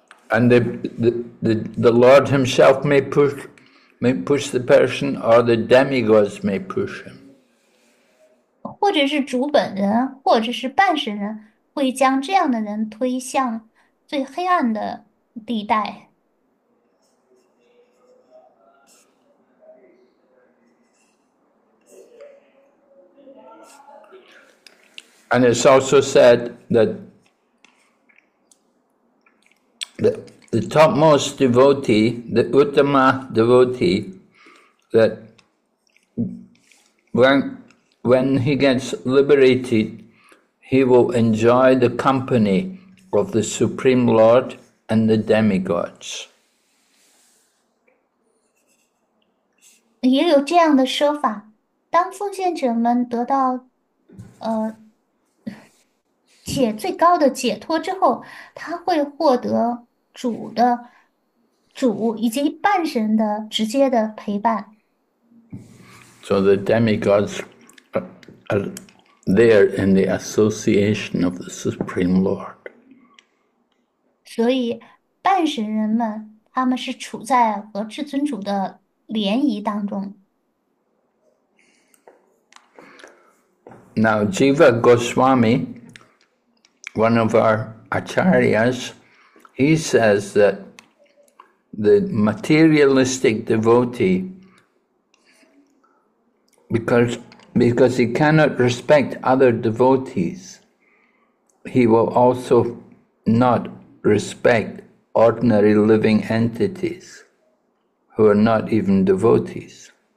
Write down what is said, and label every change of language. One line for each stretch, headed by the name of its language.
English: And the Lord himself may push the person, or the demigods may push him.
Chinese: 或者是主本人，或者是半神人，会将这样的人推向最黑暗的地带。
English: And it's also said that the topmost devotee, the Uttama devotee, that when he gets liberated, he will enjoy the company of the Supreme Lord and the demigods.
Chinese: 也有这样的说法，当奉献者们得到，最高的解脱之后，他会获得主以及半神的直接的陪伴。
English: So the demigods are there in the association of the Supreme Lord.
Chinese: 所以，半神人们，他们是处在和至尊主的联谊当中。
English: Now, Jiva Goswami, one of our acharyas, he says that the materialistic devotee, because he cannot respect other devotees, he will also not respect ordinary living entities who are not even devotees.